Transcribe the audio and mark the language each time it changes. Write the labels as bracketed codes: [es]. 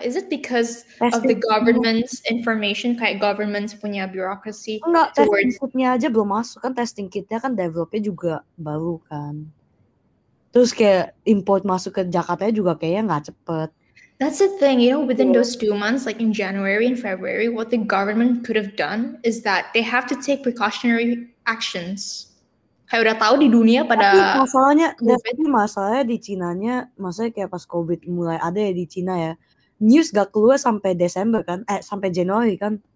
[en] Is it because testing of the government's information? [id] Kayak government punya bureaucracy? Enggak, [en] towards [id] testing kitnya aja belum masuk. Kan testing kitnya kan developnya juga baru kan. Terus kayak import masuk ke Jakarta juga kayaknya nggak cepet. [en] That's the thing, you know, within those 2 months, like in January and February, what the government could have done is that they have to take precautionary actions. [id] Kayak udah tahu di dunia pada tapi masalahnya, COVID. Tapi masalahnya di Cinanya, maksudnya kayak pas COVID mulai ada ya di Cina ya, news gak keluar sampai Desember kan, sampai Januari kan.